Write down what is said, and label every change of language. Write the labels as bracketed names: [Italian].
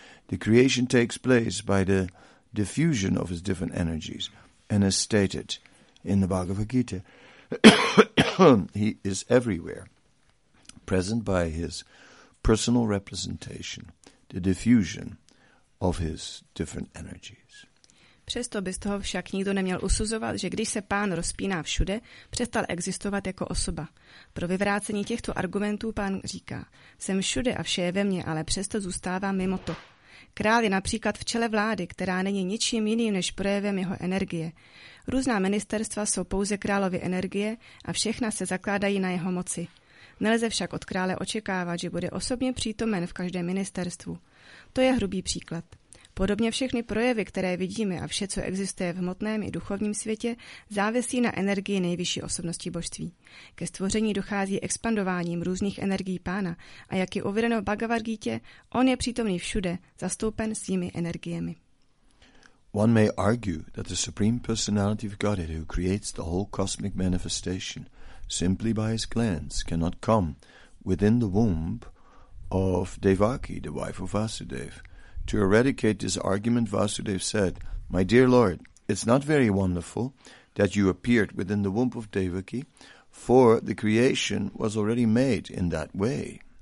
[English] The creation takes place by the diffusion of his different energies, and as stated in the Bhagavad Gita, he is everywhere, present by his personal representation, the diffusion of his different energies. [Czech] Přesto by z toho však nikdo neměl usuzovat, že když se pán rozpíná všude, přestal existovat jako osoba. Pro vyvrácení těchto argumentů pán říká, jsem všude a vše je ve mně, ale přesto zůstávám mimo to. Král je například v čele vlády, která není ničím jiným než projevem jeho energie. Různá ministerstva jsou pouze královy energie a všechna se zakládají na jeho moci. Nelze však od krále očekávat, že bude osobně přítomen v každém ministerstvu. To je hrubý příklad. Podobně všechny projevy, které vidíme a vše, co existuje v hmotném i duchovním světě, závisí na energii nejvyšší osobnosti božství. Ke stvoření dochází expandováním různých energií pána a jak je uvedeno v Bhagavad Gita, on je přítomný všude, zastoupen svými energiemi. [English] One may argue that the Supreme Personality of Godhead, who creates the whole cosmic manifestation, simply by his glance, cannot come within the womb of Devaki, the wife of Vasudev. To eradicate this argument, Vasudev said, My dear Lord, it's not very wonderful that you appeared within the womb of Devaki, for the creation was already made in that way.